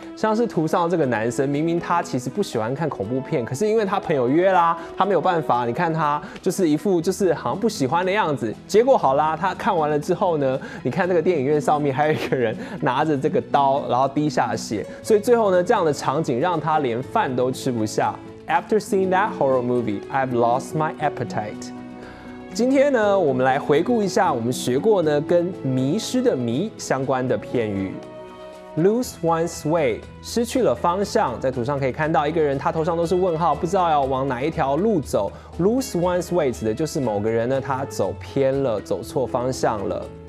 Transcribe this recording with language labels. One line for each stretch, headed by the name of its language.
Chinese: 像是图上这个男生，明明他其实不喜欢看恐怖片，可是因为他朋友约啦，他没有办法，你看他就是一副就是好像不喜欢的样子。结果好啦，他看完了之后呢，你看这个电影院上面还有一个人拿着这个刀，然后滴下血，所以最后呢这样的场景让他连饭都吃不下。
English: After seeing that horror movie, I've lost my appetite。
Chinese: 今天呢，我们来回顾一下我们学过呢跟迷失的迷相关的片语。
English: Lose one's way，
Chinese: 失去了方向。在图上可以看到一个人，他头上都是问号，不知道要往哪一条路走。
English: Lose one's way
Chinese: 指的就是某个人呢他走偏了，走错方向了。